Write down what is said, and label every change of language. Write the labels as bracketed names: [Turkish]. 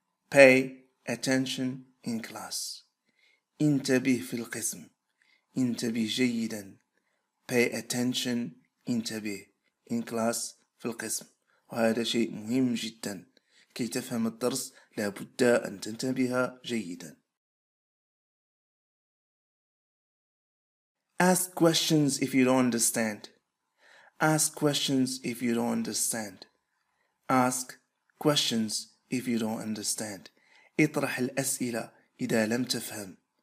[English] Pay attention in class. [Arabic] انتبه في القسم. انتبه جيدا. [English] Pay attention. [Arabic] انتبه. [English] In class. [Arabic] في القسم. وهذا شيء مهم جدا. كي تفهم الدرس لابد أن تنتبه جيدا. [English] Ask questions if you don't understand. Ask questions if you don't understand. Ask questions if you don't understand. [Arabic] اطرح الأسئلة إذا لم تفهم.